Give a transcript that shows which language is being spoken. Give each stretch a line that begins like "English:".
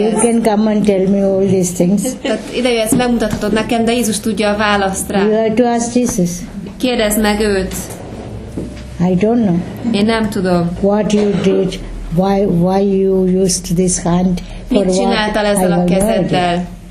English: ez. You can come and tell me all these things.
Hungarian: Tehát ideje, ezt megmutathatod nekem, de Jézus tudja a választ rá.
English: You have to ask Jesus.
Hungarian: Kérdezd meg őt.
English: I don't know.
Hungarian: Én nem tudom.
English: What you did, why you used this hand for what?
Hungarian: Mit csináltál ezzel a kezeddel?